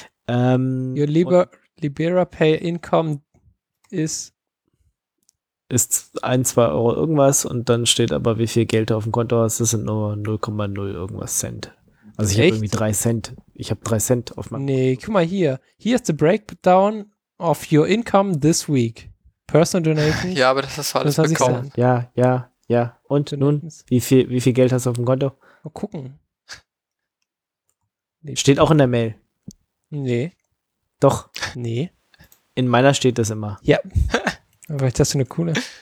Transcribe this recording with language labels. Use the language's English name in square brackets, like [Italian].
[English] Your Libera Pay Income ist [German] 1-2 Euro irgendwas und dann steht aber, wie viel Geld du auf dem Konto hast. Das sind nur 0,0 irgendwas Cent. Also ich habe irgendwie 3 Cent. Ich habe 3 Cent auf meinem. Nee, guck mal hier. [English] Here is the breakdown of your income this week. Personal donations. [German] Ja, aber das hast du alles bekommen. Ja, ja, ja. Und donations. Nun, wie viel Geld hast du auf dem Konto? Mal gucken. Nee. Steht auch in der Mail. Nee. Doch. Nee. In meiner steht das immer. Ja. Aber das ist eine coole.